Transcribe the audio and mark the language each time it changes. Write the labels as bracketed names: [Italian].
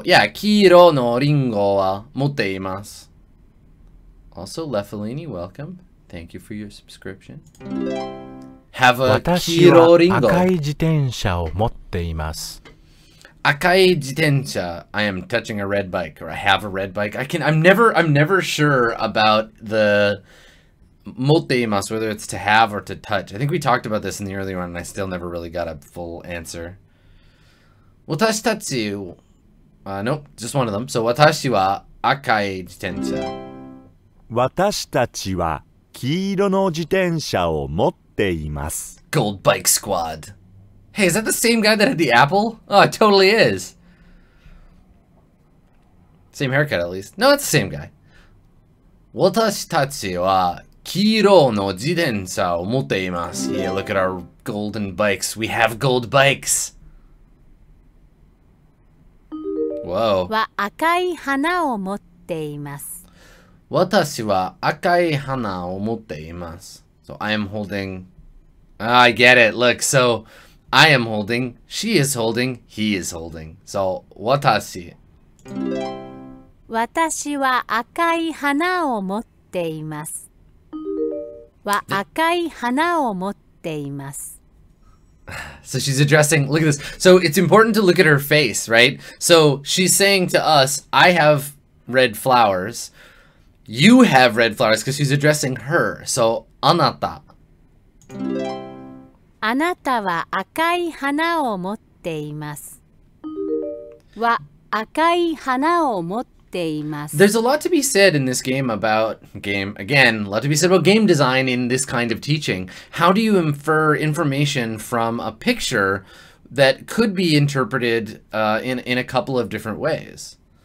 [Japanese] Yeah, 黄色のリンゴは持っています。 [English] Also, Lefelini, welcome. Thank you for your subscription. Have a 黄色リンゴ。 [Japanese] 私は赤い自転車を持っています。赤い自転車。 [English] I am touching a red bike, or I have a red bike. I'm never sure about the 持っています, whether it's to have or to touch. I think we talked about this in the early one, and I still never really got a full answer. [Japanese] 私たち、 [English] nope, just one of them. So [Japanese] 私は赤い自転車。私たちは黄色の自転車を持っています。 [English] Gold Bike Squad. Hey, is that the same guy that had the apple? Oh, it totally is. Same haircut, at least. No, it's the same guy. [Japanese] 私たちは黄色の自転車を持っています。 [English] Yeah, look at our golden bikes. We have gold bikes. Whoa. [Japanese] は赤い花を持っています。私は赤い花を持っています。 [English] So I am holding... I get it. Look, so I am holding, she is holding, he is holding. So, [Japanese] 私は赤い花を持っています。は赤い花を持っています。 [English] So she's addressing, look at this. So it's important to look at her face, right? So she's saying to us, I have red flowers. You have red flowers because she's addressing her. So, あなた。 [Japanese] あなたは赤い花を持っています。は赤い花を持っています。 [English] There's a lot to be said in this game about game. Again, a lot to be said about game design in this kind of teaching. How do you infer information from a picture that could be interpreted in a couple of different ways?